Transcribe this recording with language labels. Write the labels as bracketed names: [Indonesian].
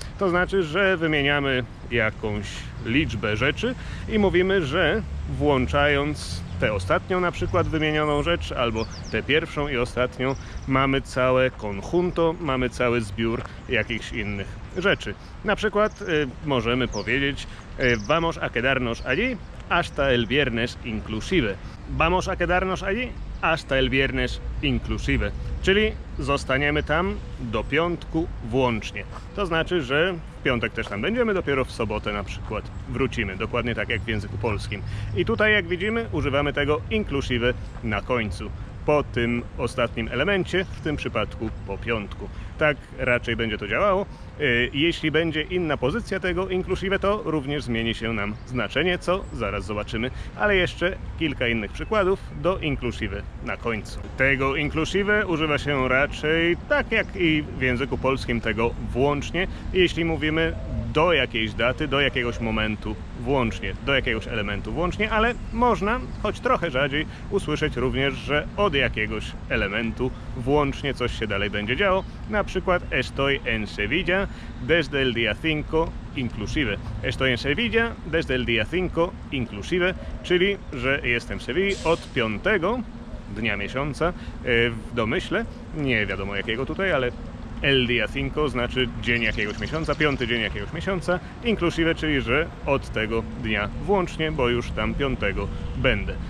[Polish] To znaczy, że wymieniamy jakąś liczbę rzeczy i mówimy, że włączając tę ostatnią na przykład wymienioną rzecz, albo tę pierwszą i ostatnią, mamy całe conjunto, mamy cały zbiór jakichś innych rzeczy. Na przykład możemy powiedzieć [Spanish] vamos a quedarnos allí hasta el viernes inclusive. Vamos a quedarnos allí hasta el viernes inclusive. [Polish] Czyli zostaniemy tam do piątku włącznie. To znaczy, że w piątek też tam będziemy, dopiero w sobotę na przykład wrócimy. Dokładnie tak jak w języku polskim. I tutaj, jak widzimy, używamy tego inclusive na końcu. Po tym ostatnim elemencie, w tym przypadku po piątku. Tak raczej będzie to działało. Jeśli będzie inna pozycja tego inclusive, to również zmieni się nam znaczenie, co zaraz zobaczymy. Ale jeszcze kilka innych przykładów do inclusive na końcu. Tego inclusive używa się raczej tak jak i w języku polskim tego włącznie, jeśli mówimy do jakiejś daty, do jakiegoś momentu włącznie, do jakiegoś elementu włącznie, ale można, choć trochę rzadziej, usłyszeć również, że od jakiegoś elementu włącznie coś się dalej będzie działo. [Spanish] Na przykład estoy en Sevilla desde el día 5 inclusive. Estoy en Sevilla desde el día 5 inclusive, [Polish] czyli że jestem w Sewilli od 5 dnia miesiąca, w domyśle, nie wiadomo jakiego tutaj, ale [Spanish] el día 5 [Polish] znaczy dzień jakiegoś miesiąca, piąty dzień jakiegoś miesiąca, inclusive, czyli że od tego dnia włącznie, bo już tam 5 będę.